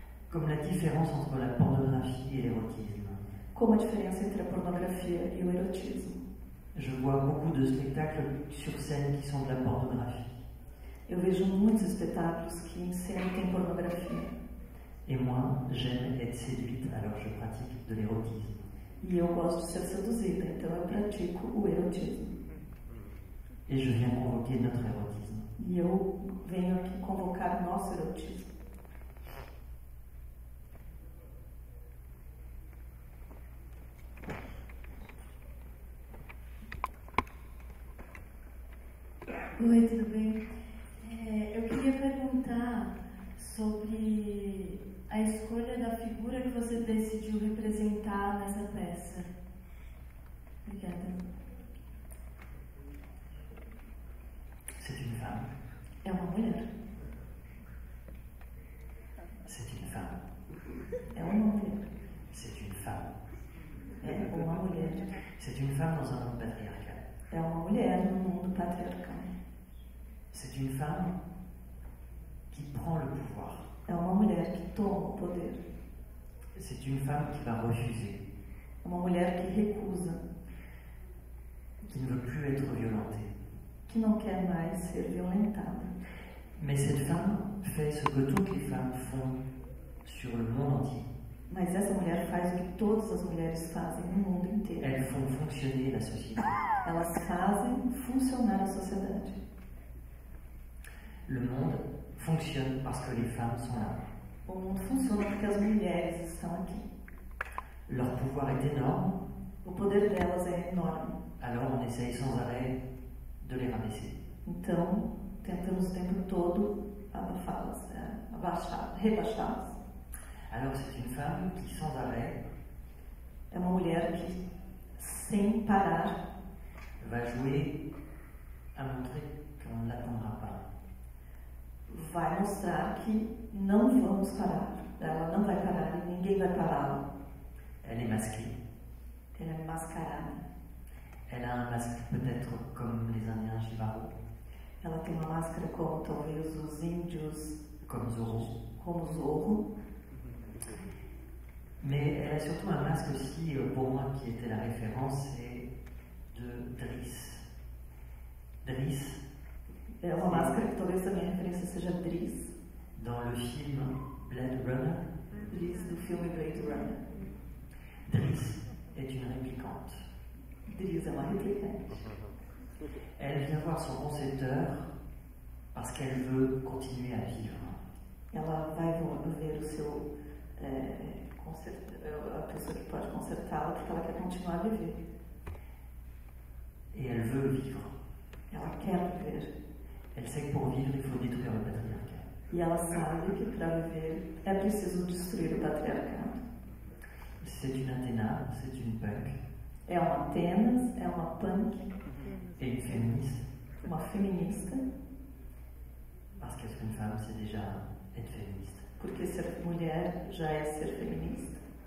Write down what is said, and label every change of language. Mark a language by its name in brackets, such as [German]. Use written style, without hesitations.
[French] Comme la différence entre la pornographie et l'érotisme. Comme la différence entre la pornographie et l'érotisme. Je vois beaucoup de spectacles sur scène qui sont de la pornographie. [Portuguese] Eu vejo muitos espetáculos que em cena têm pornografia. [French] Et moi, j'aime être séduite, alors je pratique de l'érotisme. [Portuguese] E eu gosto de ser seduzida, então eu pratico o erotismo. [French] Et je viens convoquer notre érotisme. [Portuguese] E eu venho aqui convocar o nosso erotismo. Oi, tudo bem? Eu queria perguntar sobre a escolha da figura que você decidiu representar nessa peça. Obrigada. [French] C'est une femme. [Portuguese] É uma mulher. [French] C'est une femme. [Portuguese] É uma mulher. [French] C'est une femme. [Portuguese] É uma mulher. [French] C'est une femme dans un monde patriarcal. [Portuguese] É uma mulher num mundo patriarcal. [French] C'est une femme qui prend le pouvoir. [Portuguese] É uma mulher que toma o poder. [French] C'est une femme qui va refuser. [Portuguese] Uma mulher que recusa. [French] Qui ne veut plus être violentée. [Portuguese] Que não quer mais ser violentada. [French] Mais cette femme fait ce que toutes les femmes font sur le monde entier. [Portuguese] Mas essa mulher faz o que todas as mulheres fazem no mundo inteiro. [French] Elles font fonctionner la société. [Portuguese] Elas fazem funcionar a sociedade. [French] Le monde fonctionne parce que les femmes sont là. [Portuguese] O mundo funciona porque as mulheres estão aqui. [French] Leur pouvoir est énorme. [Portuguese] O poder delas é enorme. [French] Alors on essaye sans arrêt de les rabaisser. [Portuguese] Então, tentamos o tempo todo abafá-las, rebaixá-las. [French] Alors c'est une femme qui sans arrêt. [Portuguese] É uma mulher que, sem parar, [French] va jouer à montrer qu'on ne l'attendra pas. [Portuguese] Vai mostrar que não vamos parar. Ela não vai parar e ninguém vai pará-la. [French] Elle est masquée. [Portuguese] Ela é mascarada. [French] Elle a un masque peut-être comme les Indiens Jivaro. [Portuguese] Ela tem uma máscara como talvez os índios. [French] Comme Zorro. [Portuguese] Como Zorro. [French] Mais elle a surtout un masque aussi, pour moi, qui était la référence, c'est de Driss. Driss. [Portuguese] É uma máscara que talvez a minha referência seja Driss. [French] Dans le film Blade Runner. [Portuguese] Driss, do filme Blade Runner. [French] Driss est une réplicante. [Portuguese] Driss é uma réplicante. [French] Elle vient voir son concepteur parce qu'elle veut continuer à vivre. [Portuguese] Ela vai ver o seu a pessoa que pode consertá-la porque ela quer continuar a viver. [French] Et elle veut vivre. [Portuguese] Ela quer viver. [French] Elle sait que pour vivre, il faut détruire le patriarcat. [Portuguese] E ela sabe que para viver é preciso destruir o patriarcado. [French] C'est une Athéna, c'est une punk. [Portuguese] É uma Atenas, é uma punk. [French] Et une féministe. [Portuguese] Uma feminista. [French] Parce qu'être une femme, c'est déjà être féministe. [Portuguese] Porque ser mulher já é ser feminista.